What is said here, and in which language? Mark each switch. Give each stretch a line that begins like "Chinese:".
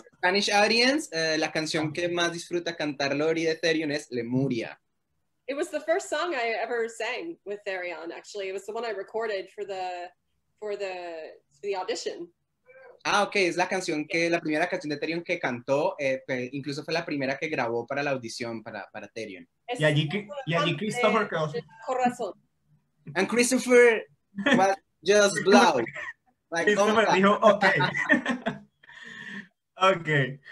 English: For Spanish audience,
Spanish: la canción que más disfruta cantar Lori de Therion es Lemuria.
English: It was the first song I ever sang with Therion, actually. It was the one I recorded for the audition. Ah, okay.
Spanish: Es la canción que, la primera canción de Therion que cantó, incluso fue la primera que grabó para la audición para Therion. Y allí Christopher Corazón.
English: And Christopher was just loud. Like, Christopher
Spanish: dijo,
English: okay. Okay.